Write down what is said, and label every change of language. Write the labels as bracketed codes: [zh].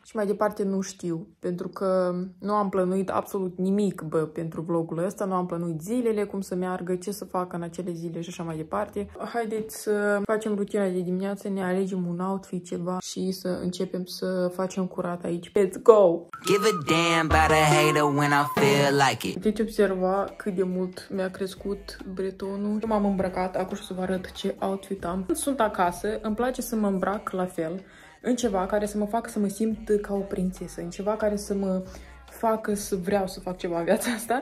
[ro] Și mai departe nu știu, pentru că nu am plănuit absolut nimic, bă, pentru vlogul ăsta. Nu am plănuit zilele, cum să meargă, ce să fac în acele zile și așa mai departe. Haideți să facem rutina de dimineață, ne alegem un outfit, ceva și să începem să facem curat aici. [en] Let's go! Give a damn about a hater when I feel like it. [ro] Deci observa cât de mult mi-a crescut bretonul. Eu m-am îmbrăcat, acum și să vă arăt ce outfit am. Sunt acasă, îmi place să mă îmbrac la fel, în ceva care să mă facă să mă simt ca o prințesă, în ceva care să mă facă să vreau să fac ceva în viața asta.